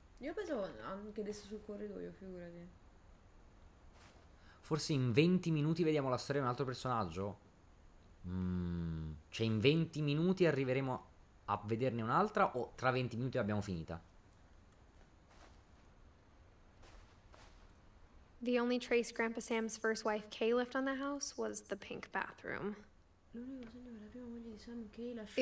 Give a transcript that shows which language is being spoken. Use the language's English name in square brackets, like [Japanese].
[Italian] Io pensavo anche adesso sul corridoio, figurati. Forse in 20 minuti vediamo la storia di un altro personaggio. Cioè in 20 minuti arriveremo a vederne un'altra o tra 20 minuti l'abbiamo finita? [English] The only trace Grandpa Sam's first wife Kay left on the house was the pink bathroom. [Italian] L'unico segno che la prima moglie di Sam Kay lasciò.